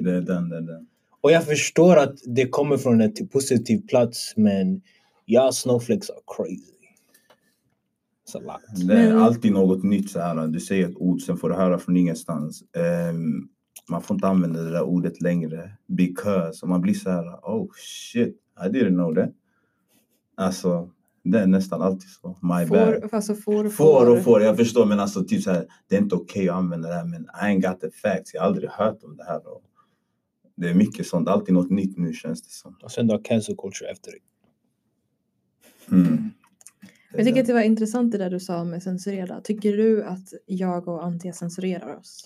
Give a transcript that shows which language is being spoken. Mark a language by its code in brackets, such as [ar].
[sv] Det. Och jag förstår att det kommer från en positiv plats, men ja, [en] snowflakes are crazy. It's a lot. [sv] Det är alltid något nytt så här. Du säger ett ord, sen får du höra från ingenstans. Man får inte använda det där ordet längre. [en] Because, [sv] man blir så här, [en] oh shit, I didn't know that. [sv] Alltså... Det är nästan alltid så. [en] My bad. [sv] Alltså får. Jag förstår, men alltså typ så här, det är inte okej att använda det här, men [en] I ain't got the facts. [sv] Jag har aldrig hört om det här. Och det är mycket sånt. Alltid något nytt nu, känns det som. Och sen då cancel culture efter det. Mm. Jag tycker att det var intressant det där du sa med censurera. Tycker du att jag och Antia censurerar oss?